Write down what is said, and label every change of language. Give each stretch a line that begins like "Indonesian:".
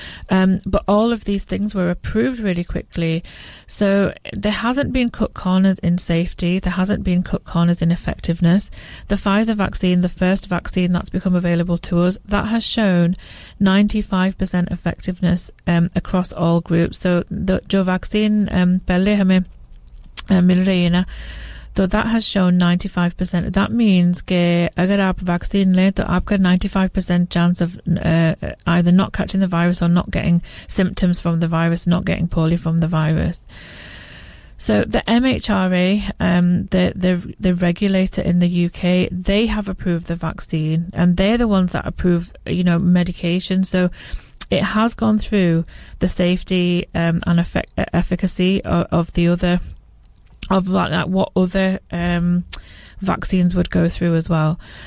English: But all of these things were approved really quickly. So there hasn't been cut corners in safety. There hasn't been cut corners in effectiveness. The Pfizer vaccine, the first vaccine that's become available to us, that has shown 95% effectiveness across all groups. So the
Hindi: jo vaccine pehle hame mil rahi hai na,
English: तो that has shown 95% that means
Hindi: के अगर आप vaccine लें तो आपका
English: 95% chance of either not catching the virus और not getting symptoms from the virus not getting polio from the virus. So the MHRA, the regulator in the UK, they have approved the vaccine, and they're the ones that approve, you know, medication. So it has gone through the safety and efficacy of the other, of like what other vaccines would go through as well.